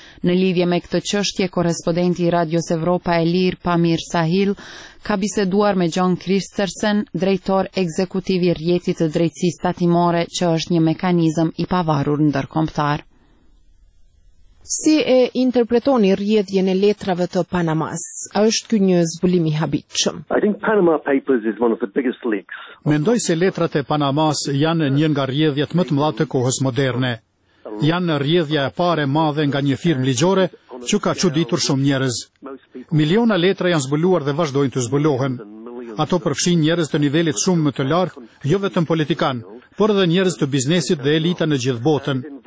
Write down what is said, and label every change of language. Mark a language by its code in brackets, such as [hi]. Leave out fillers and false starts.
[sq] Në lidhje me këtë çështje, korrespondenti i Radios Evropa e Lirë, Pamir Sahil, ka biseduar me John Christensen, drejtor ekzekutiv i rjetit të drejtësisë tatimore, që është një mekanizëm i pavarur ndërkombëtar. Si e interpretoni rrjedhjen e letrave të Panamas? A është ky një zbulim i habitshëm? [en] I think Panama Papers is one of the biggest leaks. [sq] Mendoj se letrat e Panamas janë një nga rrjedhjet më të mëdha të kohës moderne. Janë rrjedhja e parë e madhe nga një firmë ligjore që ka çuditur shumë njerëz. Miliona letra janë zbuluar dhe vazhdojnë të zbulohen. Ato përfshin njerëz të nivelit shumë më të lartë, jo vetëm politikan, por edhe njerëz të biznesit dhe elita në gjithë botën.